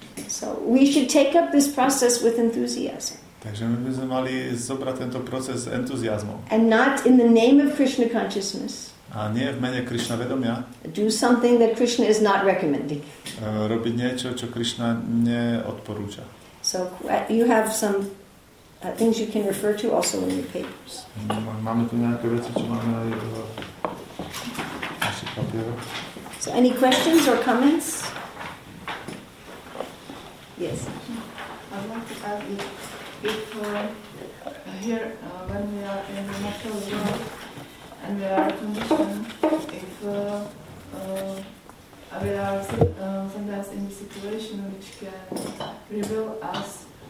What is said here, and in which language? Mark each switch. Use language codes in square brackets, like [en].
[en] So we should take up this process with enthusiasm. [sk] Takže my by sme mali zobrať tento proces s entuziasmom. [en] And not in the name of Krishna consciousness. [sk] A nie v mene Krishna vedomia. [en] Do something that Krishna is not recommending. [sk] Robiť niečo, čo Krishna neodporúča. [en] So you have some things you can refer to also in your papers. [sk] Máme tu nejaké veci, čo máme aj v našich papieroch. [en] So any questions or comments? Yes. I'd like to ask if here when we are in the natural world and we are conditioned, if we are sometimes in a situation which can reveal us